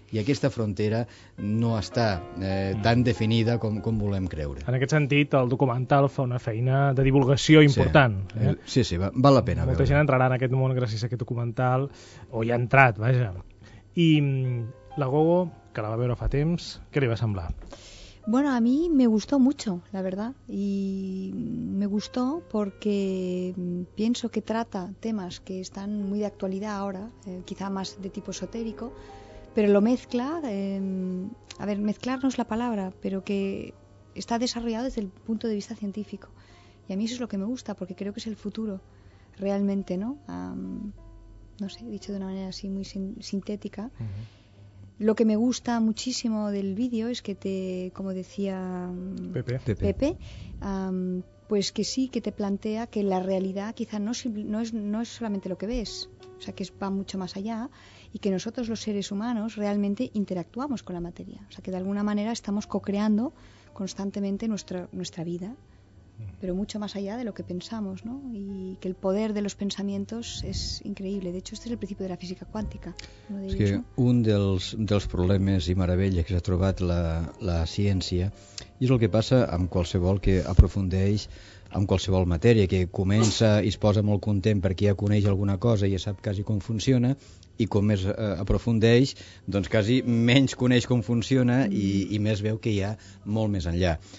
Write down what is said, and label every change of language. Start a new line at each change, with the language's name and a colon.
Catalan: I aquesta frontera no està tan definida com volem creure. En aquest sentit, el documental fa una feina de divulgació important. Sí, sí, val la pena. Molta gent entrarà en aquest món gràcies a aquest documental, o hi ha entrat, vaja. I la Gogo, que la va veure fa temps, què li va semblar?
Spanish: Bueno, a mí me gustó mucho, la verdad, y me gustó porque pienso que trata temas que están muy de actualidad ahora, quizá más de tipo esotérico, pero lo mezcla, a ver, mezclar no es la palabra, pero que está desarrollado desde el punto de vista científico, y a mí eso es lo que me gusta, porque creo que es el futuro, realmente, ¿no? No sé, dicho de una manera así muy sintética. Uh-huh. Lo que me gusta muchísimo del vídeo es que te, como decía Pepe, pues que sí, que te plantea que la realidad quizá no es solamente lo que ves, o sea, que va mucho más allá y que nosotros los seres humanos realmente interactuamos con la materia. O sea, que de alguna manera estamos co-creando constantemente nuestra vida, pero mucho más allá de lo que pensamos, ¿no? Y que el poder de los pensamientos es increíble. De hecho, este es el principio de la física cuántica.
Catalan: Es que un dels problemes i meravelles que s'ha trobat la ciència és el que passa amb qualsevol que aprofundeix amb qualsevol matèria, que comença i es posa molt content perquè ja coneix alguna cosa i ja sap quasi com funciona, i com més aprofundeix, doncs quasi menys coneix com funciona i més veu que hi ha molt més enllà.